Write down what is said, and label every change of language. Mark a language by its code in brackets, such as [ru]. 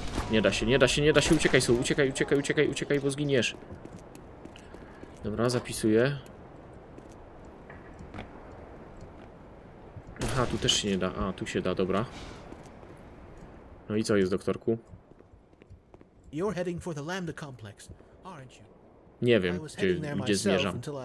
[pl] Nie da się, nie da się, nie da się. Uciekaj, są. Uciekaj, uciekaj, uciekaj, uciekaj, bo zginiesz. Dobra, zapisuję. Aha, tu też się nie da. A, tu się da, dobra. No i co jest, doktorku? [en] You're heading for the Lambda complex, aren't you? [pl] Nie wiem, gdzie zmierzam.